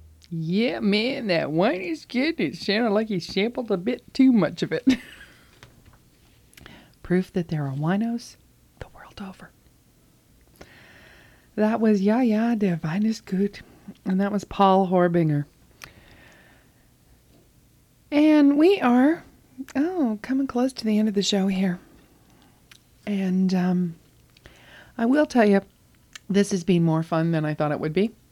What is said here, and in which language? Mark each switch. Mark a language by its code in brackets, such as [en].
[en] Yeah, man, that wine is good. It sounded like he sampled a bit too much of it. Proof that there are winos the world over. That was [de] Ja, Ja, der Wein ist gut. [en] And that was Paul Horbinger. And we are, coming close to the end of the show here. And, I will tell you, this has been more fun than I thought it would be.